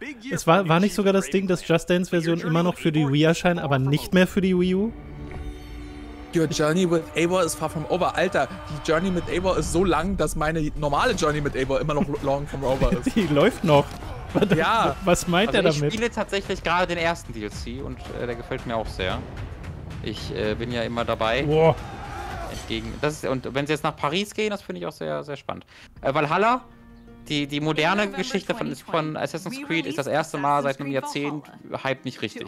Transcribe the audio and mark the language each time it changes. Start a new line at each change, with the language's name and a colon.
German: Es war nicht sogar das Ding, dass Just Dance-Version immer noch für die Wii erscheint, aber nicht mehr für die Wii U?
English: Your journey with Eivor is far from over.
German: Alter, die Journey mit Eivor ist so lang, dass meine normale Journey mit Eivor immer noch
English: long from over
German: ist. Die läuft noch. Ja. Was meint also er damit? Ich spiele tatsächlich gerade den ersten DLC und der gefällt mir auch sehr. Ich bin ja immer dabei. Boah. Entgegen. Das ist, und wenn sie jetzt nach Paris gehen, das finde ich auch sehr, sehr spannend. Valhalla, die moderne Geschichte von Assassin's Creed ist das erste Mal seit einem Jahrzehnt hyped mich richtig.